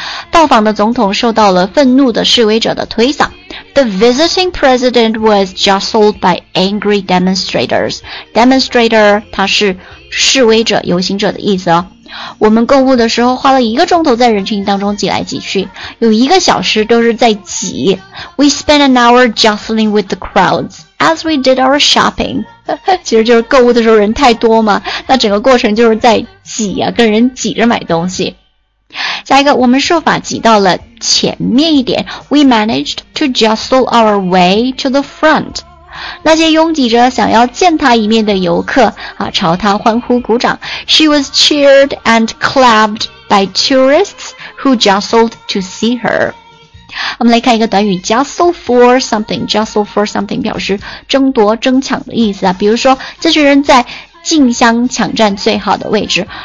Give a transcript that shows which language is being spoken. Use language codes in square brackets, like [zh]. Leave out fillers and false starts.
[zh] 到访的总统受到了愤怒的示威者的推搡。 [en] The visiting president was jostled by angry demonstrators. [zh] Demonstrator, 它是示威者、游行者的意思哦。我们购物的时候花了一个钟头在人群当中挤来挤去，有一个小时都是在挤。 [en] We spent an hour jostling with the crowds as we did our shopping. [zh] 其实就是购物的时候人太多嘛，那整个过程就是在挤啊，跟人挤着买东西。下一个，我们设法挤到了前面一点。 [en] We managed to jostle our way to the front. [zh] 那些拥挤着想要见他一面的游客啊，朝他欢呼鼓掌。 [en] She was cheered and clapped by tourists who jostled to see her. [zh] 我们来看一个短语 [en] jostle for something. Jostle for something [zh] 表示争夺争抢的意思啊，比如说这群人在竞相抢占最好的位置。